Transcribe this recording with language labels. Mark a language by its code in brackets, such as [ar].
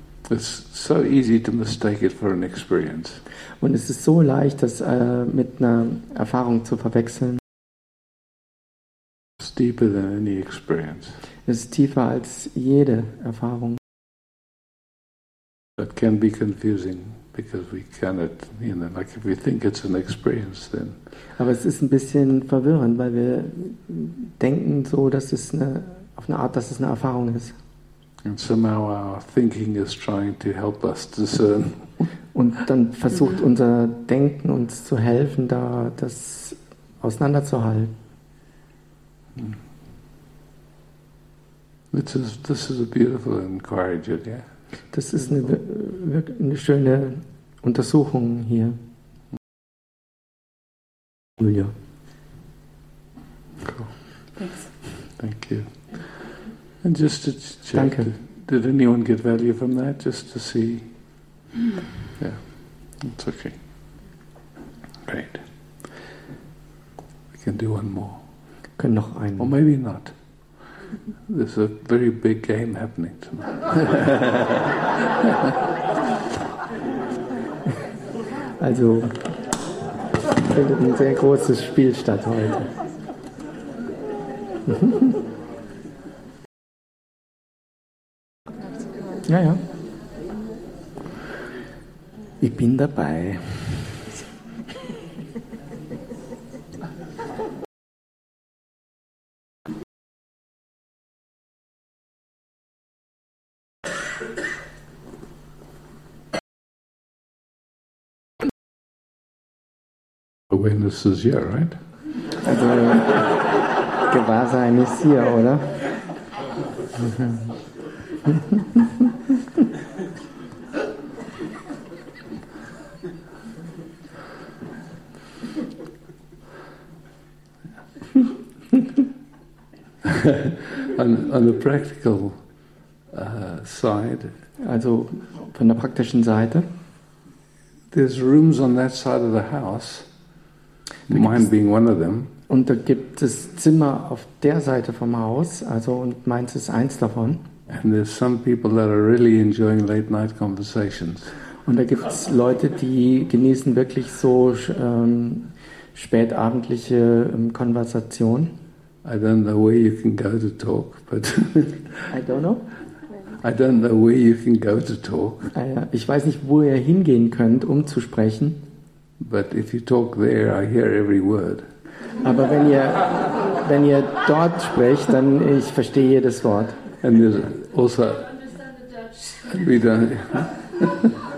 [en] It's so easy to mistake it for an experience. [de] Und es ist so leicht, das mit einer Erfahrung zu verwechseln. [en] It's deeper than any experience. [de] Es ist tiefer als jede Erfahrung. [en] That can be confusing because we cannot, you know, like if we think it's an experience, then. [de] Aber es ist ein bisschen verwirrend, weil wir denken so, dass es eine Erfahrung ist. [en] And somehow our thinking is trying to help us discern. [de] Und dann versucht unser Denken uns zu helfen, da das auseinanderzuhalten. [en] This is a beautiful inquiry, Julia. [de] Das ist eine schöne Untersuchung hier. [en] Julia. Cool. Thanks. Thank you. And just to check, did anyone get value from that? Just to see. Yeah, it's okay. Great. We can do one more. [de] Können noch einen. [en] Or maybe not. There's a very big game happening tonight. [de] Also, findet ein sehr großes Spiel statt heute. Ja, ja. Ich bin dabei. [en] Awareness is here, right? [de] Also, Gewahrsein ist hier, oder? [en] On the practical side. [de] Also von der praktischen Seite. [en] There's rooms on that side of the house. Mine being one of them. [de] Und da gibt es Zimmer auf der Seite vom Haus, also und meins ist eins davon. [en] And there's some people that are really enjoying late night conversations. [de] Und da gibt es Leute, die genießen wirklich so spätabendliche Konversationen. [en] I don't know where you can go to talk, but I don't know. I don't know where you can go to talk. [de] Ich weiß nicht, wo ihr hingehen könnt, um zu sprechen. [en] But if you talk there, I hear every word. [de] Aber wenn ihr dort sprecht, dann ich verstehe jedes Wort. [en] And there's also we don't understand the Dutch.